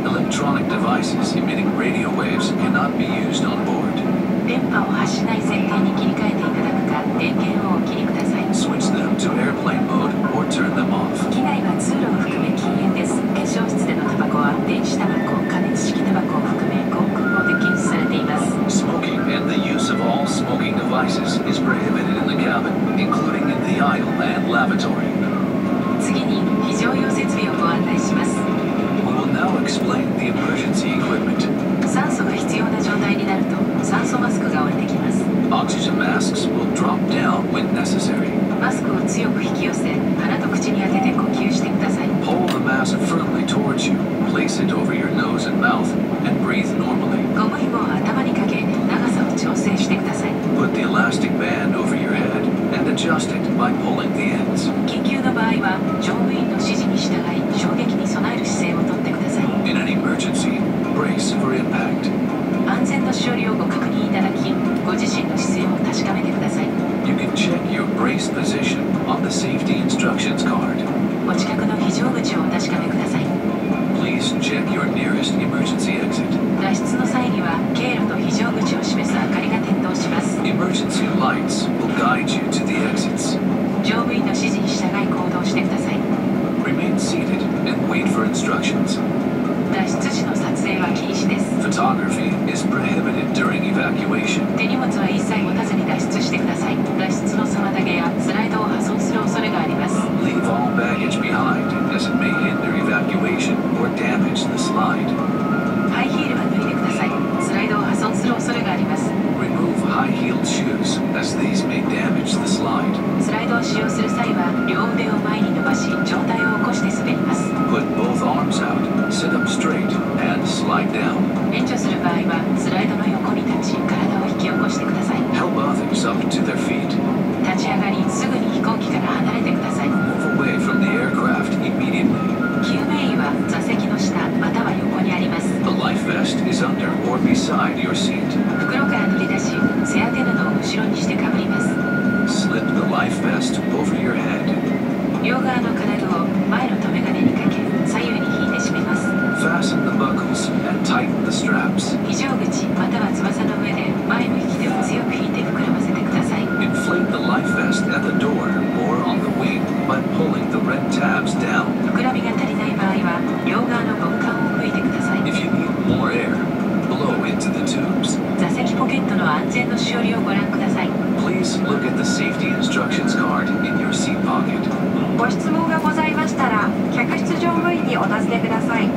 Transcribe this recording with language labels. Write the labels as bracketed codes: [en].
[en] Electronic devices emitting radio waves cannot be used on board. [ja] 電波を発しない設定に切り替えていただくか、電源をお切りください。 [en] Switch them to airplane mode or turn them off. [ja] 機内は通路を含め禁煙です。化粧室でのタバコは電子タバコ、加熱式タバコを含め航空法で禁止されています。 [en] Smoking and the use of all smoking devices is prohibited in the cabin, including in the aisle and lavatory. [ja] 次に非常用設備をご案内します。 [en] Now explain the emergency equipment. [ja] 酸素が必要な状態になると酸素マスクが降りてきます。 [en] Oxygen masks will drop down when necessary. [ja] マスクを強く引き寄せ鼻と口に当てて呼吸してください。 [en] Hold the mask firmly towards you. Place it over your nose and mouth and breathe normally. [ja] ゴム紐を頭にかけ長さを調整してください。 [en] Put the elastic band over your head and adjust it by pulling the ends. [ja] 緊急の場合は乗務員の指示に従い衝撃に備える姿勢をとってください。 [en] In an emergency, brace for impact. [ja] 安全の処理をご確認いただきご自身の姿勢を確かめてください。 [en] You can check your brace position on the safety instructions card. [ja] お近くの非常口をお確かめください。 [en] Please check your nearest emergency exit. [ja] 脱出の際には経路と非常口を示す明かりが点灯します。 [en] Emergency lights will guide you to the exits. [ja] 乗務員の指示に従い行動してください。 [en] Remain seated and wait for instructions. [ja] 脱出時の撮影は禁止です。 [en] Photography is prohibited during evacuation. [ja] 手荷物は一切持たずに脱出してください。脱出の妨げやスライドを破損する恐れがあります。 [en] Leave all baggage behind as it may hinder evacuation or damage the slide. [ja] ハイヒールは脱いでください。スライドを破損する恐れがあります。 [en] Remove high-heeled shoes as these may damage the slide. [ja] スライドを使用する際は両腕を前に伸ばし上体を起こして滑ります。 [en] Put both arms out, sit up straight and slide down. [ja] 援助する場合はスライドの横に立ち体を引き起こしてください。 [en] Help others up to their feet. [ja] 立ち上がりすぐに飛行機から離れてください。 [en] Away from the aircraft immediately. [ja] 救命衣は座席の下または横にあります。 [en] The life vest is under or beside your seat. [ja] 袋から取り出し背当て布を後ろにしてかぶります。 [en] Slip the life vest over your head. [ja] 両側の金具を前の留め金にかけ左右に引いて締めます。 [en] Fasten the buckles and tighten the straps. [ja] 非常口または翼の上で前の引き手を強く引いて膨らませてください。 [en] Inflate the life vest at the door or on the wing. By pulling the red tabs down. [ja] 膨らみが足りない場合は両側のゴム管を吹いてください。 [en] If you need more air, blow into the tubes. [ja] 座席ポケットの安全のしおりをご覧ください。 [en] Please look at the safety instructions card in your seat pocket. [ja] ご質問がございましたら客室乗務員にお尋ねください。